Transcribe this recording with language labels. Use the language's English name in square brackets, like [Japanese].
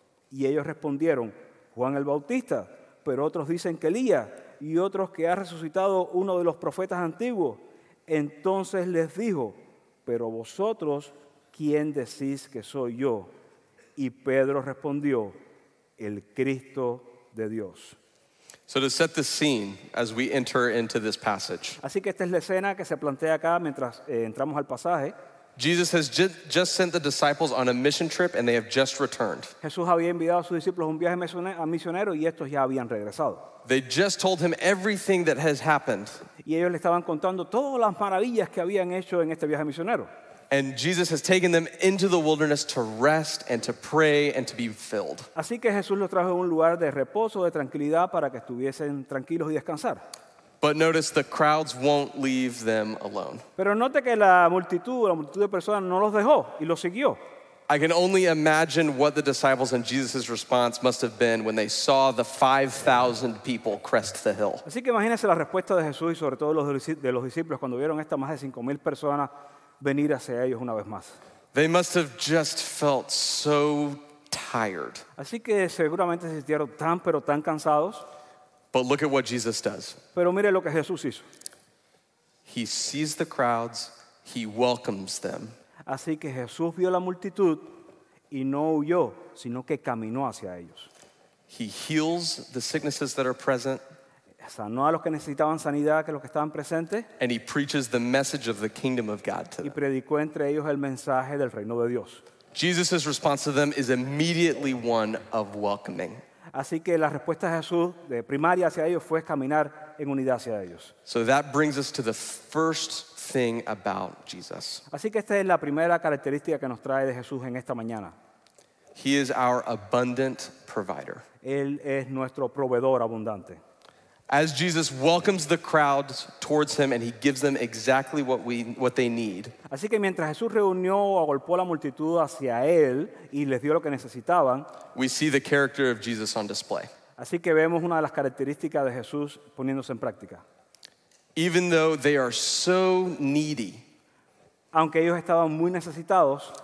[Spanish] Y ellos respondieron, Juan el Bautista, pero otros dicen que Elías y otros que ha resucitado uno de los profetas antiguos. Entonces les dijo, pero vosotros, ¿quién decís que soy yo? Y Pedro respondió, el Cristo de Dios. [English] So to set the scene as we enter into this passage. [Spanish] Así que esta es la escena que se plantea acá mientras entramos al pasaje. [English] Jesus has just sent the disciples on a mission trip and they have just returned. [Spanish] Jesús había enviado a sus discípulos un viaje a misionero y estos ya habían regresado. [English] They just told him everything that has happened. [Spanish] Y ellos le estaban contando todas las maravillas que habían hecho en este viaje misionero. [English] And Jesus has taken them into the wilderness to rest and to pray and to be filled. [Spanish] Así que Jesús los trajo a un lugar de reposo, de tranquilidad, para que estuviesen tranquilos y descansar. [English] But notice the crowds won't leave them alone. [Spanish] Pero note que la multitud de personas no los dejó y los siguió. [English] I can only imagine what the disciples and Jesus' response must have been when they saw the 5,000 people crest the hill. [Spanish] Así que imagínense la respuesta de Jesús y sobre todo de los discípulos cuando vieron esta más de 5,000 personas venir hacia ellos una vez más. [English] They must have just felt so tired. [Spanish] Así que seguramente se sintieron tan pero tan cansados. [English] But look at what Jesus does. [Spanish] Pero mire lo que Jesús hizo. [English] He sees the crowds, he welcomes them. [Spanish] Así que Jesús vio la multitud y no huyó, sino que caminó hacia ellos. [English] He heals the sicknesses that are present. [Spanish] Sanó a los que necesitaban sanidad, que los que estaban presentes. [English] And he preaches the message of the kingdom of God to them. [Spanish] Y predicó entre ellos el mensaje del reino de Dios. [English] Jesus' response to them is immediately one of welcoming. [Spanish] Así que la respuesta de Jesús de primaria hacia ellos fue caminar en unidad hacia ellos. [English] So that brings us to the first thing about Jesus. [Spanish] Así que esta es la primera característica que nos trae de Jesús en esta mañana. [English] He is our abundant provider. [Spanish] Él es nuestro proveedor abundante. [English] As Jesus welcomes the crowds towards him and he gives them exactly what they need. [Spanish] Así que mientras Jesús reunió o agolpó la multitud hacia él y les dio lo que necesitaban, [English] we see the character of Jesus on display. [Spanish] Así que vemos una de las características de Jesús poniéndose en práctica. [English] Even though they are so needy, [Spanish] aunque ellos estaban muy necesitados,